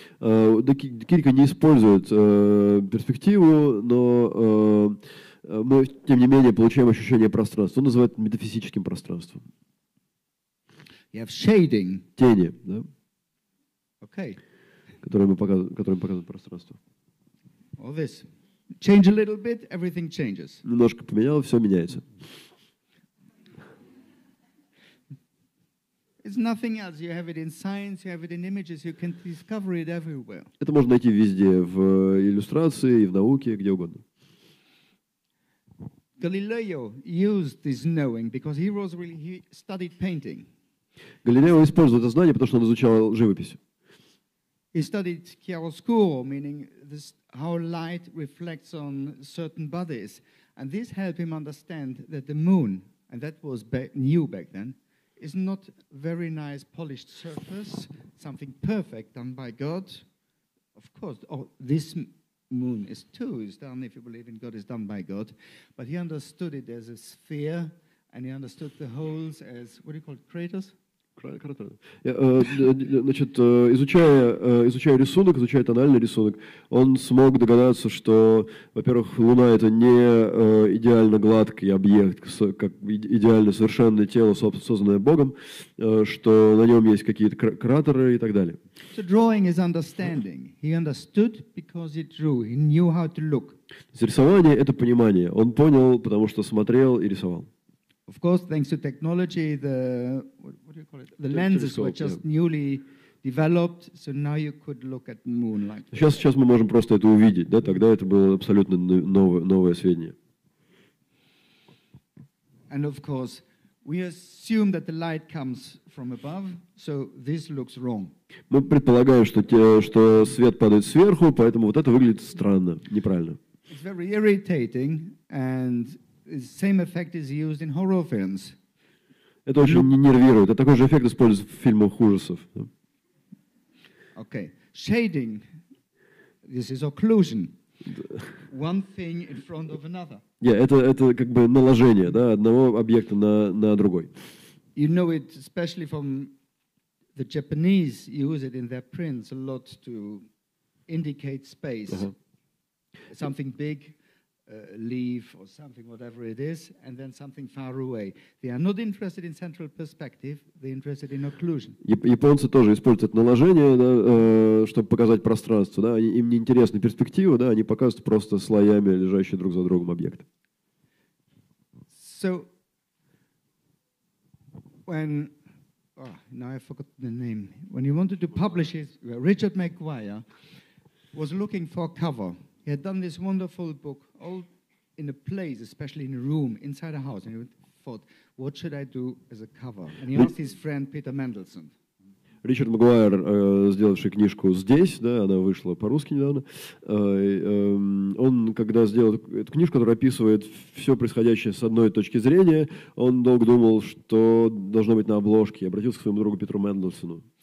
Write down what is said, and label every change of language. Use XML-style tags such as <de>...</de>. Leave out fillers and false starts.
<ru>Декирико не использует перспективу, но мы тем не менее получаем ощущение пространства. Он называет метафизическим пространством.</ru> <en>You have shading.</en> <ru>Тени, да?</ru> <en>Okay.</en> <ru>Которые показывают пространство.</ru> <en>All this change a little bit, everything changes.</en> <ru>Немножко поменял, все меняется.</ru> <en>It's nothing else. You have it in science, you have it in images, you can discover it everywhere.</en> <ru>Это можно найти везде, в иллюстрации, в науке, где угодно.</ru> <en>Galileo used this knowing because he was really he studied painting.</en> <ru>Галилео использовал это знание, потому что он изучал живопись.</ru> <en>He studied chiaroscuro, meaning this, how light reflects on certain bodies, and this helped him understand that the moon, and that was new back then, is not very nice polished surface, something perfect done by God. Of course, oh, this moon is too, is done, if you believe in God, is done by God. But he understood it as a sphere, and he understood the holes as, what do you call it, craters?</en> <ru>Значит, изучая рисунок, изучая тональный рисунок, он смог догадаться, что, во-первых, Луна — это не идеально гладкий объект, как идеально совершенное тело, созданное Богом, что на нем есть какие-то кратеры и так далее.</ru> <en>So drawing is understanding. He understood because he drew. He knew how to look.</en> <ru>Рисование — это понимание. Он понял, потому что смотрел и рисовал.</ru> <en>Of course, thanks to technology, the lenses were just newly developed, so now you could look at moon like.</en> <ru>Сейчас мы можем просто это увидеть, да? Тогда это было абсолютно новое сведение.</ru> <en>And of course, we assume that the light comes from above, so this looks wrong.</en> <ru>Мы предполагаем, что свет падает сверху, поэтому вот это выглядит странно, неправильно.</ru> <en>It's very irritating and. The same effect is used in horror films.</en> <ru>Это очень нервирует. Это такой же эффект используется в фильмах ужасов.</ru> <en>Okay. Shading. This is occlusion. One thing in front of another.</en> <ru>Yeah, это как бы наложение, да, одного объекта на другой.</ru> <en>You know it especially from the Japanese use it in their prints a lot to indicate space. Uh-huh. Something big. Leaf or something, whatever it is, and then something far away. They are not interested in central perspective. They are interested in occlusion.</en> <ru>Японцы тоже используют наложение, да, чтобы показать пространство. Да, им не интересны перспективы, да, они показывают просто слоями лежащие друг за другом объект.</ru> <en>So when now I forgot the name. When he wanted to publish his Richard McGuire was looking for a cover. He had done this wonderful book all in a place, especially in a room, inside a house. And he thought, what should I do as a cover? And he asked his friend Peter Mendelssohn.</en> <ru>Ричард Магуайр, сделавший книжку здесь, да, она вышла по-русски недавно, он, когда сделал эту книжку, которая описывает все происходящее с одной точки зрения, он долго думал, что должно быть на обложке. И обратился к своему другу Петру Мендельсону.</ru>